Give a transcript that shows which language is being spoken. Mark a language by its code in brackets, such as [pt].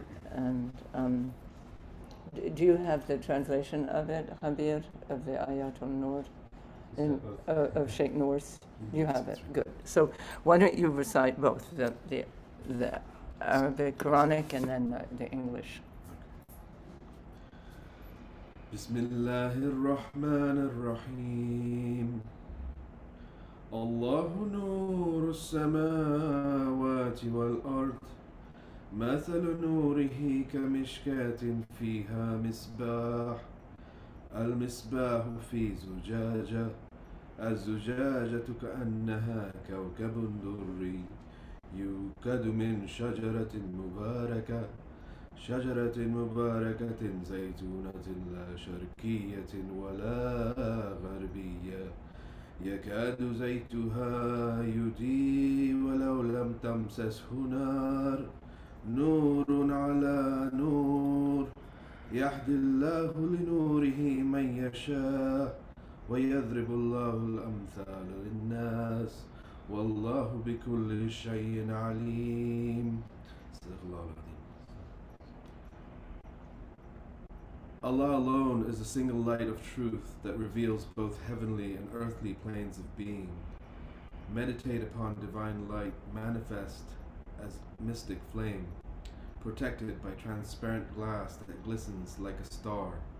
[en] And do you have the translation of it, Habir, of the Ayatul Nur, of Sheikh Nur's? You have it, good. So why don't you recite both, the Arabic Quranic and then the English. [ar] بسم الله الرحمن الرحيم الله نور السماوات والأرض مثل نوره كمشكاة فيها مصباح المصباح في زجاجة الزجاجة كأنها كوكب دري يوكد من شجرة مباركة شجرة مباركة زيتونة لا شرقية ولا غربية يكاد زيتها يضيء ولو لم تمسسه نار نور على نور يهدي الله لنوره من يشاء ويضرب الله الأمثال للناس والله بكل شيء عليم. صدق الله العظيم. [en] Allah alone is a single light of truth that reveals both heavenly and earthly planes of being. Meditate upon divine light manifest as mystic flame, protected by transparent glass that glistens like a star.